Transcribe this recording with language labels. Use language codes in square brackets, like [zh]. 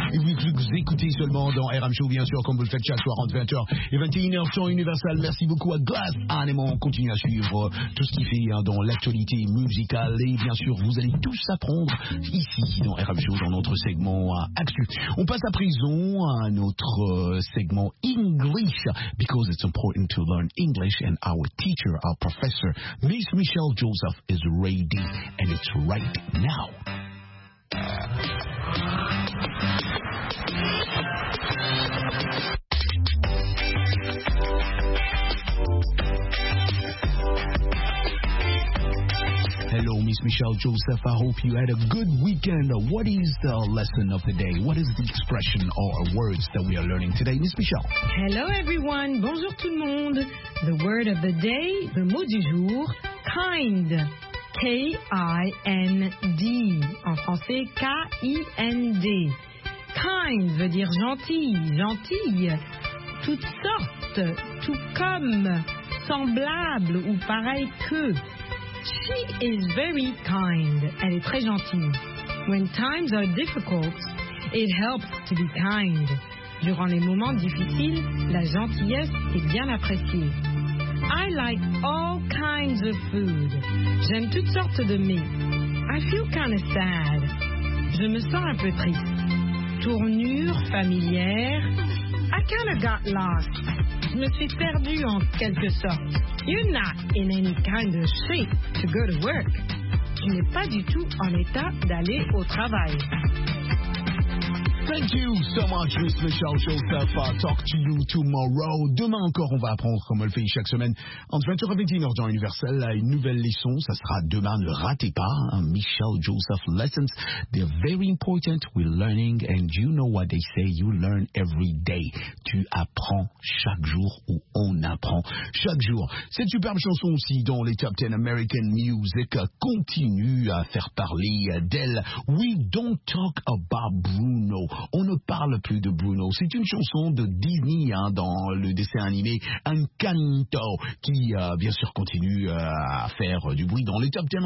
[fr] Et vous, vous écoutez seulement dans RM Show, bien sûr, comme vous le faites chaque soir entre 20h et 21h sur Universal. Merci beaucoup à Glass Animal. On continue à suivre tout ce qui fait dans l'actualité musicale. Et bien sûr, vous allez tous apprendre ici dans RM Show, dans notre segment Actu. On passe à prison, à notre segment [en] English, because it's important to learn English and our teacher, our professor, Miss Michelle Joseph, is ready and it's right now. Hello, Miss Michelle Joseph. I hope you had a good weekend. What is the lesson of the day? What is the expression or words that we are learning today, Miss Michelle? Hello, everyone. [fr] Bonjour, tout le monde. [en] The word of the day, [fr] le mot du jour, [en] kind. [fr] K-I-N-D. En français, K-I-N-D. Kind veut dire gentil, gentille. Toutes sortes, tout comme, semblable ou pareil que. [en] She is very kind. [fr] Elle est très gentille. [en] When times are difficult, it helps to be kind. [fr] Durant les moments difficiles, la gentillesse est bien appréciée. [en] I like all kinds of food. [fr] J'aime toutes sortes de mets. [en] I feel kind of sad. [fr] Je me sens un peu triste. Tournure familière. [en] I kind of got lost. [fr] Je me suis perdu en quelque sorte. [en] You're not in any kind of shape to go to work. [fr] Tu n'es pas du tout en état d'aller au travail. [en] Thank you so much, Miss Michelle Joseph. I'll talk to you tomorrow. [fr] Demain encore, on va apprendre, comme on le fait chaque semaine, entre 20h et 21h dans Universal, une nouvelle leçon. Ça sera demain, ne ratez pas, hein, Michelle Joseph Lessons. [en] They're very important, we're learning, and you know what they say, you learn every day. [fr] Tu apprends chaque jour, ou on apprend chaque jour. Cette superbe chanson aussi, dont les Top 10 American Music continue à faire parler d'elle. [en] We don't talk about Bruno. [fr] On ne parle plus de Bruno. C'est une chanson de Disney hein, dans le dessin animé Encanto qui, bien sûr, continue à faire du bruit dans les Top 10.